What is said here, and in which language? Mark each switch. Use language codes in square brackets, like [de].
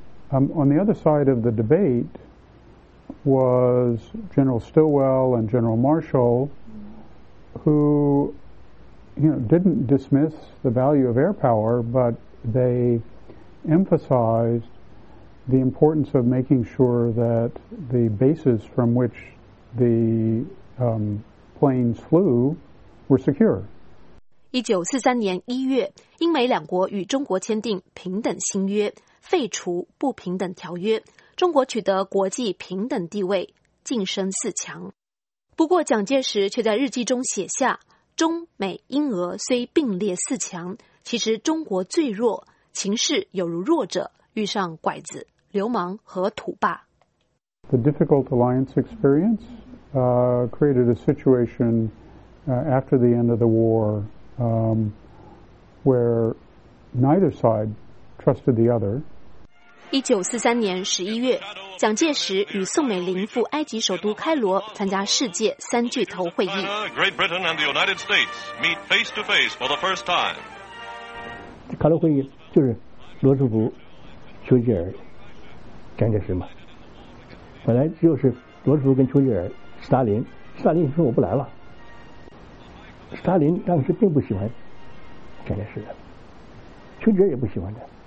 [en] On the other side of the debate was General Stilwell and General Marshall, who, you know, didn't dismiss the value of air power, but they emphasized the importance of making sure that the bases from which the planes flew were secure. [zh] 1943年1月，英美两国与中国签订平等新约，废除不平等条约，中国取得国际平等地位，晋升四强。不过蒋介石却在日记中写下，中美英俄虽并列四强，其实中国最弱，情势有如弱者遇上拐子、流氓和土霸。 [en] The difficult alliance experience created a situation after the end of the war where neither side trusted the other. [zh] 1943年11月，蒋介石与宋美龄赴埃及首都开罗参加世界三巨头会议。 [en] Great Britain and the United States meet face to face for the first time. [zh] 开罗会议就是罗斯福、丘吉尔。蒋介石嘛，本来就是罗斯福跟丘吉尔、斯大林说我不来了。斯大林当时并不喜欢蒋介石，丘吉尔也不喜欢他。